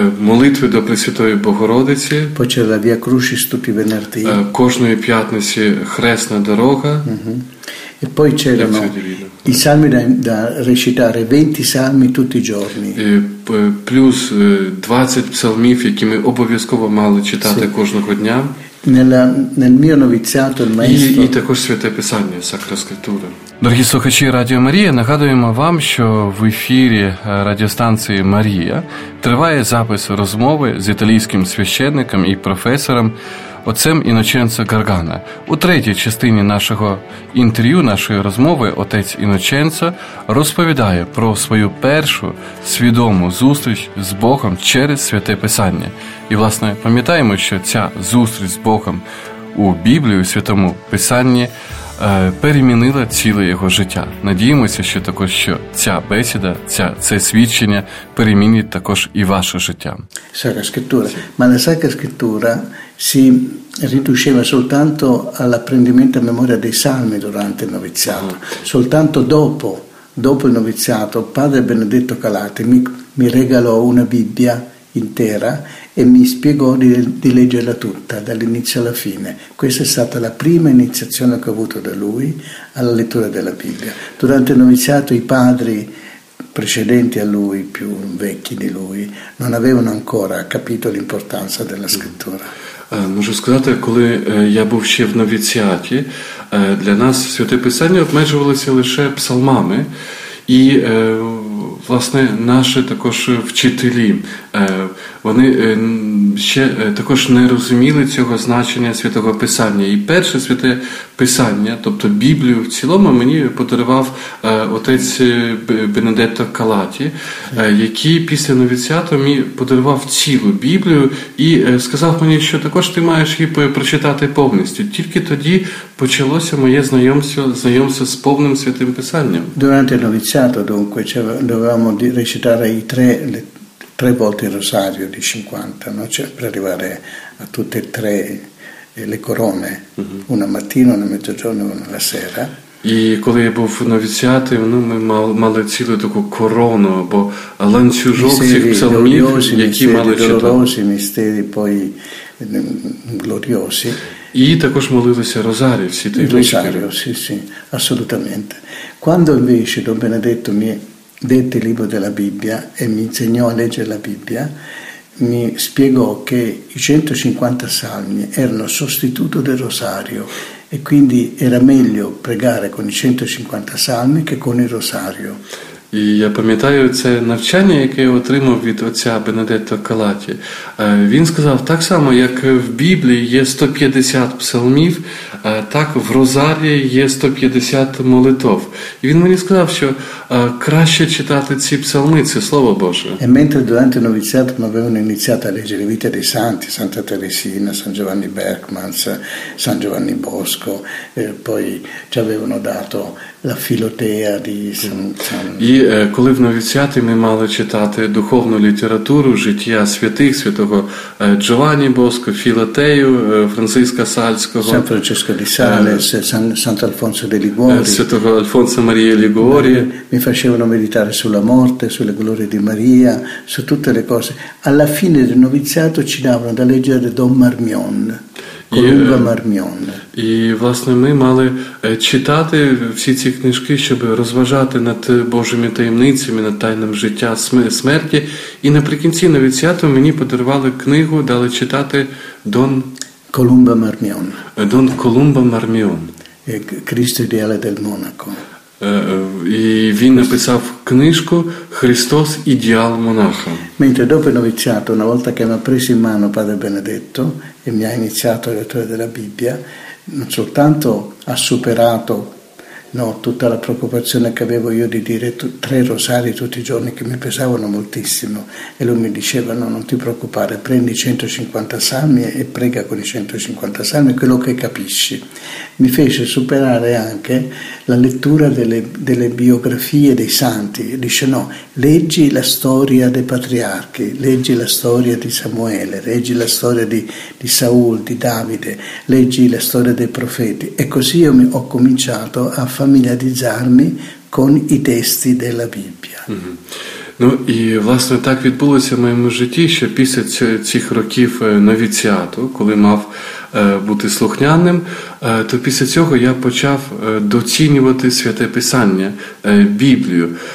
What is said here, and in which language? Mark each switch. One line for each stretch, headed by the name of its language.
Ukrainian: молитви до Пресвятої Богородиці, почала
Italian: Via Crucis tutti venerdì,
Ukrainian: кожної п'ятниці хресна дорога,
Italian: e poi c'erano i salmi da recitare, 20 salmi tutti i giorni,
Ukrainian: плюс 20 псалмів, які ми обов'язково мали читати кожного дня.
Italian: Nel mio
Ukrainian: новіціату
Italian: il maestro.
Ukrainian: І також Святе Писання, Сакра Скриптура. Дорогі слухачі Радіо Марія, нагадуємо вам, що в ефірі радіостанції Марія триває запис розмови з італійським священником і професором отцем Іноченцо Гаргана. У третій частині нашого інтерв'ю, нашої розмови, отець Іноченцо розповідає про свою першу свідому зустріч з Богом через Святе Писання. І, власне, пам'ятаємо, що ця зустріч з Богом у Біблії, у Святому Писанні, перемінила ціле його життя. Надіємося, що також що ця бесіда, це свідчення перемінить також і ваше життя. Сакра Скриптура.
Italian: Ma la Sacra Scrittura si riduceva soltanto all'apprendimento a memoria dei salmi durante il noviziato. Soltanto dopo il noviziato, padre Benedetto Calate mi regalò una Bibbia intera e mi spiegò di leggerla tutta, dall'inizio alla fine. Questa è stata la prima iniziazione che ho avuto da lui alla lettura della Bibbia. Durante il noviziato i padri precedenti a lui, più vecchi di lui, non avevano ancora capito l'importanza della scrittura.
Ukrainian: Можу сказати, коли я був ще в новіціаті, для нас Святе Писання обмежувалося лише псалмами. І, власне, наші також вчителі, вони ще також не розуміли цього значення Святого Писання. І перше Святе Писання, тобто Біблію в цілому, мені подарував отець Бенедетто Калаті, який після новіціату мені подарував цілу Біблію і сказав мені, що також ти маєш її прочитати повністю. Тільки тоді почалося моє знайомство з повним Святим Писанням.
Italian: Durante il noviziato, dunque, dovevamo recitare i tre volte il rosario di 50, no? Cioè, per arrivare a tutte e tre le corone, una mattina, una mezzogiorno e una sera.
Ukrainian: І коли я був новіціатом, ну, ми мали цілу таку корону або ланцюжок цих псалмів, які мали читати.
Italian: Містері, поі gloriosi.
Ukrainian: І також молилися розарі всі ті речі.
Italian: Sì, assolutamente. Quando invece Don Benedetto mi dette il libro della Bibbia e mi insegnò a leggere la Bibbia, mi spiegò che i 150 salmi erano sostituto del rosario e quindi era meglio pregare con i 150 salmi che con il rosario.
Ukrainian: І я пам'ятаю це навчання, яке я отримав від отця Бенедетто Калаті. Він сказав, так само, як в Біблії є 150 псалмів, так в Розарії є 150 молитов. І він мені сказав, що краще читати ці псалми, це Слово Боже.
Italian: E mentre durante il noviziato mi avevano iniziato a leggere Vita dei Santi, Santa Teresina, San Giovanni Bergmans, San Giovanni Bosco, poi ci avevano dato la Filotea di San.
Ukrainian: І коли в новіціаті ми мали читати духовну літературу, життя святих, святого Джованні Боско, Філотею, Франциска Сальського,
Italian: Сан Франческо ді Салес, Сант'Альфонсо де Лігуорі,
Ukrainian: святого Альфонсо Марії Лігуорі.
Italian: Mi facevano meditare sulla morte, sulle glorie di Maria, su tutte le cose. Alla fine del noviziato ci davano da leggere Don Marmion.
Ukrainian: Колумба Марміон. І, власне, ми мали читати всі ці книжки, щоб розважати над Божими таємницями, над тайним життя смерті. І наприкінці новіціату мені подарували книгу, дали читати Дон... Колумба Марміон. Дон Колумба Марміон.
Italian: Крісто ідеале дель Монако.
Ukrainian: І він написав книжку «Христос – ідеал монаха».
Italian: Mentre dopo il noviziato, una volta che mi ha preso in mano Padre Benedetto e mi ha iniziato la lettura della Bibbia, non soltanto ha superato, no, tutta la preoccupazione che avevo io di dire tre rosari tutti i giorni che mi pesavano moltissimo, e lui mi diceva: no, non ti preoccupare, prendi 150 salmi e prega con i 150 salmi quello che capisci. Mi fece superare anche la lettura delle biografie dei santi. Dice: no, leggi la storia dei patriarchi, leggi la storia di Samuele, leggi la storia di Saul, di Davide, leggi la storia dei profeti. E così io ho cominciato a familiarizzarmi con i testi della Bibbia.
Ukrainian: Ну, і, власне, так відбулося в моєму житті, що після цих років новіціату, коли мав бути слухняним, то після цього я почав доцінювати Святе Писання, Біблію.